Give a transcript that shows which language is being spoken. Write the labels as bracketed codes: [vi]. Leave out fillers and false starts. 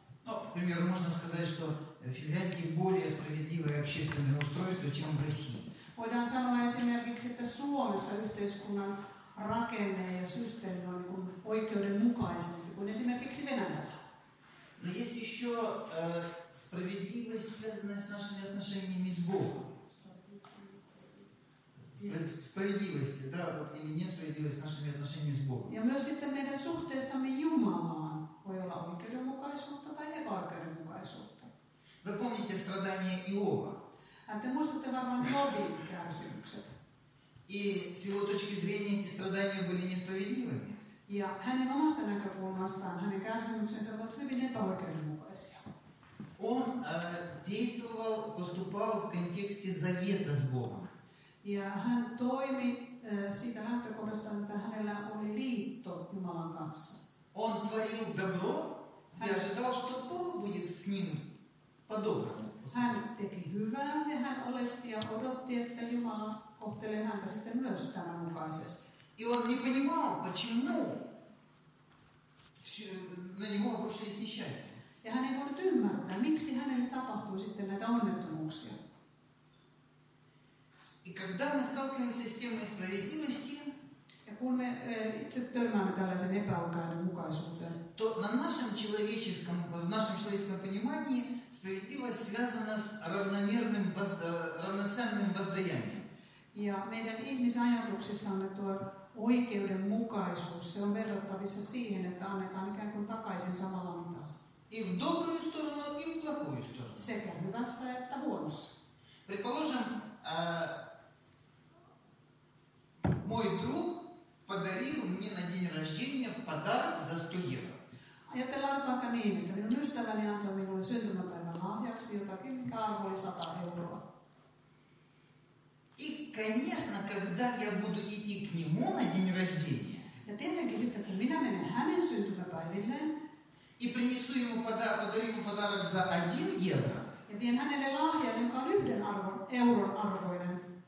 [ru] No, например, можно сказать, что Финляндия более справедливое общественное устройство, чем в России. [fi] Voidaan sanoa esimerkiksi, että Suomessa yhteiskunnan rakenne ja systeemi on oikeudenmukaisempi kuin esimerkiksi Venäjällä. [ru] No, есть еще справедливость, связанная с нашими отношениями с Богом. Справедливость, да, или несправедливость с нашими отношениями с Богом. [fi] Ja myös sitten meidän suhteessamme Jumalaan voi olla oikeudenmukaisuutta tai epäoikeudenmukaisuutta. [ru] Вы помните страдания Иова? [fi] Te muistatte varmaan Jobin kärsimykset. [ru] И с его точки зрения эти страдания были несправедливыми. [fi] Ja hänen omasta näkökulmastaan hänen kärsimyksensä ovat hyvin epäoikeudenmukaisia. [ru] Он действовал, поступал в контексте завета с Богом. [fi] Ja hän toimi siitä lähtökohdasta, että hänellä oli liitto Jumalan kanssa. [ru] Он творил добро и ожидал, что Бог будет с ним по-доброму. [fi] Hän teki hyvää ja hän oletti ja odotti, että Jumala kohtelee häntä sitten myös tämän mukaisesti. [ru] И он не понимал, почему на него обрушились несчастья. [fi] Ja hän ei voinut ymmärtää, miksi hänelle tapahtui sitten näitä onnettomuuksia. [ru] И когда мы сталкиваемся с темой справедливости, [fi] ja kun me itse törmäämme tällaisen epäoikeudenmukaisuuteen, [ru] то на нашем человеческом, в нашем человеческом понимании справедливость связана с равномерным, равноценным воздаянием. [fi] Ja meidän ihmisajatuksissamme tuo oikeudenmukaisuus, se on verrattavissa siihen, että annetaan ikään kuin takaisin samalla mitalla. [ru] И в добрую сторону, и в плохую сторону. [fi] Sekä hyvässä että huonossa. [ru] Предположим, мой друг подарил мне на день рождения подарок за 100 евро. [fi] Ajatellaan nyt vaikka niin, että minun ystäväni antoi minulle syntymäpäivän lahjaksi jotakin, mikä arvo oli 100 euroa. [ru] И, конечно, когда я буду идти к нему на день рождения, [fi] ja tietenkin sitten, kun minä menen hänen syntymäpäivilleen, [ru] и принесу ему подарок, подарок за 1 евро, [fi] ja vien hänelle lahjan, joka on yhden euron arvoinen.